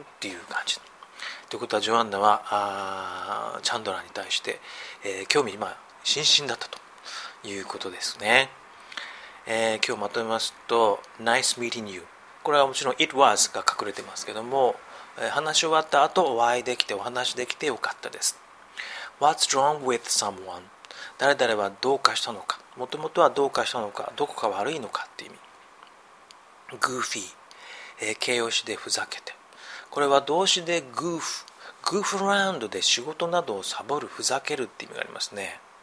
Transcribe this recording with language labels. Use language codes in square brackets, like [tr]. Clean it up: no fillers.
[ja] っていう感じということはジョアンナはチャンドラーに対して、興味今津々だったということですね。今日まとめますと [en] Nice meeting you [ja] これはもちろん [en] It was [ja] が隠れてますけども話し終わった後お会いできてお話できてよかったです。 [en] What's wrong with someone? [ja] 誰々はどうかしたのか、もともとはどうかしたのか、どこか悪いのかっていう意味。 Goofy、形容詞でふざけて。これは動詞で goof、goof around で仕事などをサボる、ふざけるっていう意味がありますね。